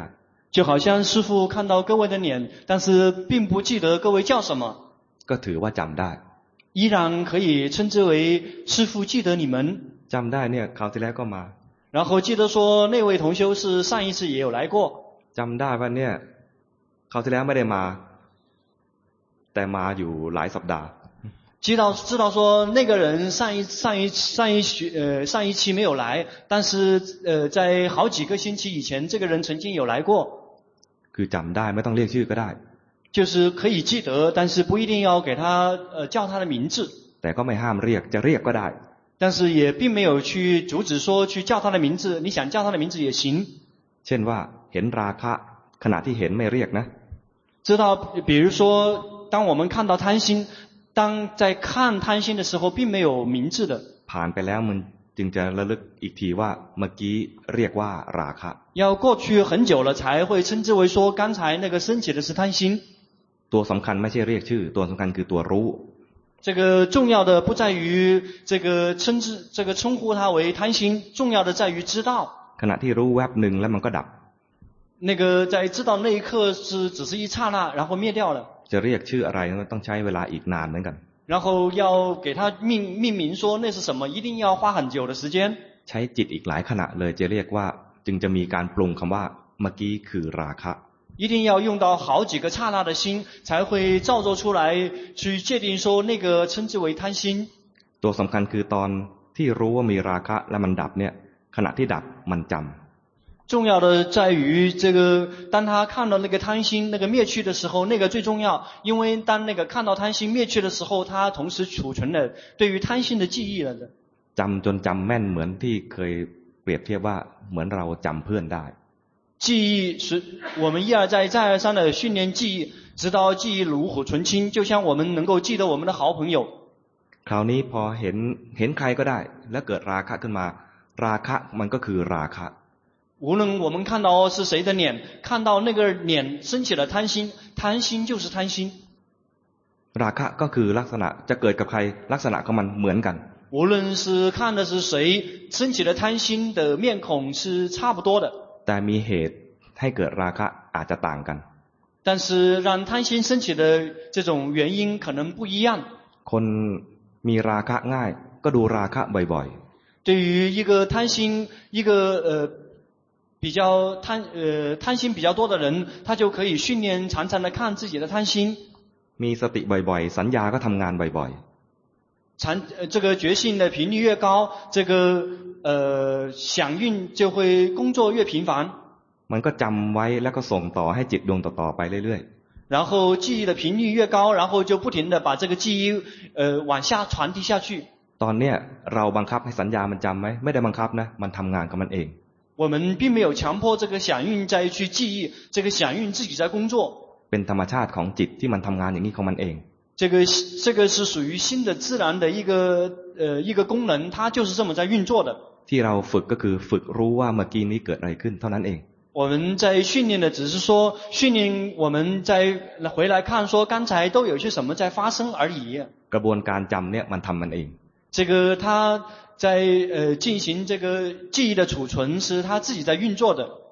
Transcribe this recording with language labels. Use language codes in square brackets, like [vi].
[zh] 就好像师父看到各位的脸但是并不记得各位叫什么 [th] ก็ถือว่าจำได้ [zh] 依然可以称之为师父记得你们 [th] จำได้เนี่ยคราวที่แล้วก็มา [zh] 然后记得说那位同修是上一次也有来过 [th] จำได้ว่าเนี่ยคราวที่แล้วไม่ได้มาแต่มาอยู่หลายสัปดาห์ [zh] 知道说那个人上一期没有来但是在好几个星期以前这个人曾经有来过 [th] คือจำได้ไม่ต้องเรียกชื่อก็ได้ [zh] 就是可以记得，但是不一定要给他叫他的名字。 [th] แต่ก็ไม่ห้ามเรียกจะเรียกก็ได้。 [zh] 但是也并没有去阻止说去叫他的名字，你想叫他的名字也行。 [th] เช่นว่าเห็นราคะขณะที่เห็นไม่เรียกนะ。 [zh] 知道，比如说，当我们看到贪心，当在看贪心的时候，并没有名字的。 [th] ผ่านไปแล้วมันจึงจะระลึกอีกทีว่าเมื่อกี้เรียกว่าราคะ。 [zh] 要过去很久了才会称之为说刚才那个升起的是贪心。 [th] ตัวสำคัญไม่ใช่เรียกชื่อตัวสำคัญคือตัวรู้ [zh] 这个重要的不在于这个称之这个称呼它为贪心重要的在于知道 [th] ขณะที่รู้แวบหนึ่งแล้วมันก็ดับ [zh] 那个在知道那一刻是只是一刹那然后灭掉了 [th] จะเรียกชื่ออะไรต้องใช้เวลาอีกนานเหมือนกัน [zh] 然后要给它命名说那是什么一定要花很久的时间 [th] ใช้จิตอีกหลายขณะเลยจะเรียกว่าจึงจะมีการปรุงคำว่าเมื่อกี้คือราคะ [zh] 一定要用到好几个刹那的心才会造作出来去界定说那个称之为贪心 [th] ตัวสำคัญคือตอนที่รู้ว่ามีราคะและมันดับเนี่ยขณะที่ดับมันจำ [zh] 重要的在于这个当他看到那个贪心那个灭去的时候那个最重要因为当那个看到贪心灭去的时候他同时储存了对于贪心的记忆了的 [th] จำจนจำแม่นเหมือนที่เคยเปรียบเทียบว่าเหมือนเราจำเพื่อนได้ [zh] 记忆是我们一而再再而三的训练记忆直到记忆炉火纯青就像我们能够记得我们的好朋友 [th] คราวนี้พอเห็นใครก็ได้แล้วเกิดราคะขึ้นมาราคะมันก็คือราคะ [zh] 无论我们看到是谁的脸看到那个脸升起了贪心贪心就是贪心 [th] ราคะก็คือลักษณะจะเกิดกับใครลักษณะของมันเหมือนกัน [zh] 无论是看的是谁升起了贪心的面孔是差不多的 [th] แต่มีเหตุให้เกิดราคะอาจจะต่างกัน [zh] 但是让贪心升起的这种原因可能不一样 [th] คนมีราคะง่ายก็ดูราคะบ่อย [zh] ๆ对于一个贪心一个比较贪心比较多的人他就可以训练常常的看自己的贪心 [th] มีสติบ่อยๆสัญญาก็ทำงานบ่อย [zh] ๆ这个觉性的频率越高这个响应就会工作越频繁 [th] มันก็จำไว้แล้วก็ส่งต่อให้จิตดวงต่อๆไปเรื่อย [zh] ๆ然后记忆的频率越高然后就不停的把这个记忆往下传递下去 [th] ตอนเนี้ยเราบังคับให้สัญญามันจำไหมไม่ได้บังคับนะมันทำงานกับมันเอง [zh] 我们并没有强迫这个响应再去记忆这个响应自己在工作 [th] เป็นธรรมชาติของจิตที่มันทำงานอย่างนี้ของมันเอง เป็นธรรมชาติของจิตที่มันทำงานอย่างนี้ของมัน ที่เราฝึกก็คือฝึกรู้ว่าเมื่อกี้นี้เกิดอะไรขึ้นเท่านั้นเอง [zh] 我们在训练的只是说训练我们在回来看说刚才都有些什么在发生而已 [th] กระบวนการจำเนี่ยมันทำมันเอง [zh] 这个他在进行这个记忆的储存是他自己在运作的